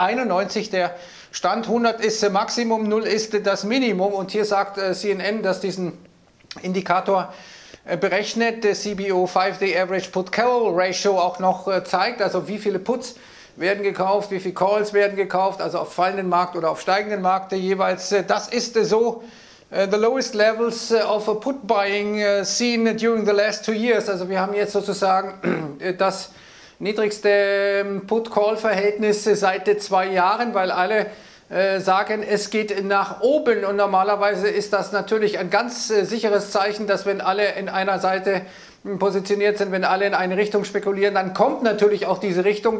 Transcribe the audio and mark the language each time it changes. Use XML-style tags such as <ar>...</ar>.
<de>91 der Stand, 100 ist Maximum, 0 ist das Minimum. Und hier sagt CNN, dass diesen Indikator berechnet, der CBO 5-Day Average Put Call Ratio auch noch zeigt, also wie viele Puts werden gekauft, wie viele Calls werden gekauft, also auf fallenden Markt oder auf steigenden Markt jeweils. Das ist so,</de> <en>the lowest levels of a put buying seen during the last 2 years.</en> <de>Also wir haben jetzt sozusagen das niedrigste Put-Call-Verhältnis seit 2 Jahren, weil alle sagen, es geht nach oben. Und normalerweise ist das natürlich ein ganz sicheres Zeichen, dass wenn alle in einer Seite positioniert sind, wenn alle in eine Richtung spekulieren, dann kommt natürlich auch diese Richtung.</de>